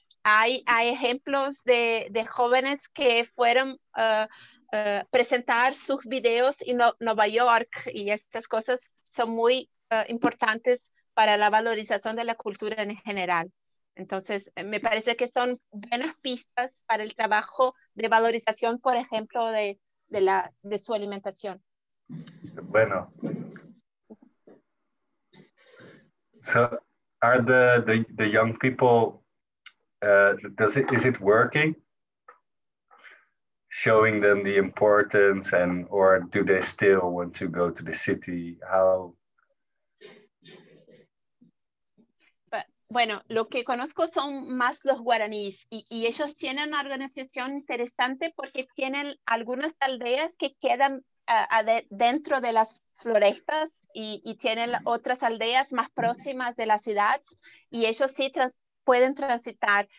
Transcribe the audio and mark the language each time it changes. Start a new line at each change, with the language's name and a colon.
Spanish: Hay ejemplos de jóvenes que fueron presentar sus videos en Nueva York, y estas cosas son muy importantes para la valorización de la cultura en general. Entonces, me parece que son buenas pistas para el trabajo de valorización, por ejemplo, de su alimentación. Bueno.
English: So, are the young people, is it working? Showing them the importance, and or do they still want to go to the city? How?
Spanish: Bueno, lo que conozco son más los guaraníes, y ellos tienen una organización interesante porque tienen algunas aldeas que quedan dentro de las florestas, y tienen otras aldeas más próximas de la ciudad, y ellos sí pueden transitar.